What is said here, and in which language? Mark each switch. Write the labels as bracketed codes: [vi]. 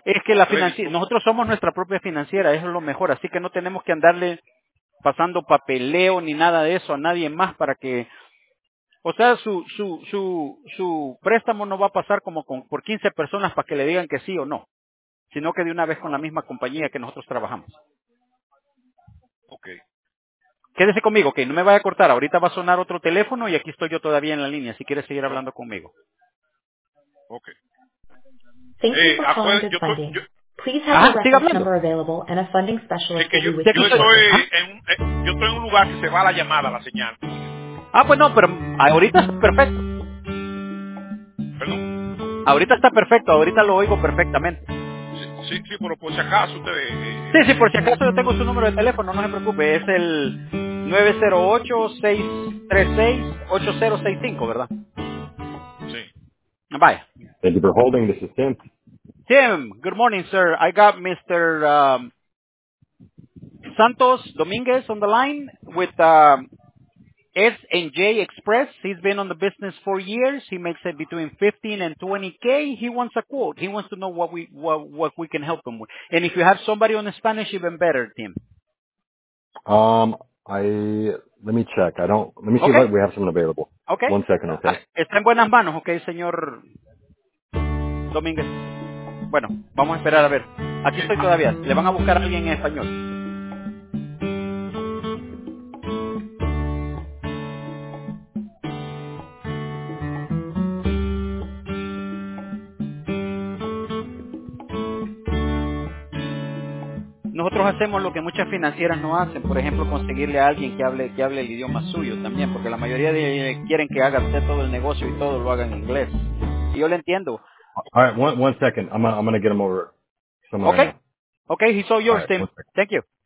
[es] es que la financiera, nosotros somos nuestra propia financiera, eso es lo mejor, así que no tenemos que andarle pasando papeleo ni nada de eso a nadie más para que, o sea, su préstamo no va a pasar como por 15 personas para que le digan que sí o no, sino que de una vez con la misma compañía que nosotros trabajamos. [en] Okay. [es] Quédese conmigo, okay, no me vaya a cortar, ahorita va a sonar otro teléfono y aquí estoy yo todavía en la línea, si quieres seguir hablando conmigo. [en] Okay. Thank you for calling this funding. Please have a reference number available and a funding specialist [es] que [en] will be with you. [es] Yo estoy en un lugar que se va la llamada, la señal. Pues no, pero ahorita está perfecto. Perdón. Ahorita está perfecto, ahorita lo oigo perfectamente. Sí, pero por si acaso usted... Por si acaso yo tengo su número de teléfono, no se preocupe. Es el 908-636-8065, ¿verdad? [en] Bye. Thank you for holding. This is Tim. Tim, good morning, sir. I got Mr. Santos Dominguez on the line with S&J Express. He's been on the business for years. He makes it between 15 and 20K. He wants a quote. He wants to know what we can help him with. And if you have somebody on the Spanish, even better, Tim. Let me check. Let me see if we have someone available. Okay. One second, okay? [es] Está en buenas manos, okay, señor Domínguez. Bueno, vamos a esperar a ver. Aquí estoy todavía. Le van a buscar a alguien en español. Nosotros hacemos lo que muchas financieras no hacen, por ejemplo, conseguirle a alguien que hable el idioma suyo también, porque la mayoría de ellos quieren que haga usted todo el negocio y todo lo haga en inglés. Y yo le entiendo. [en] All right, one second. I'm gonna get him over. Okay. Okay, he's all yours, Tim. Thank you.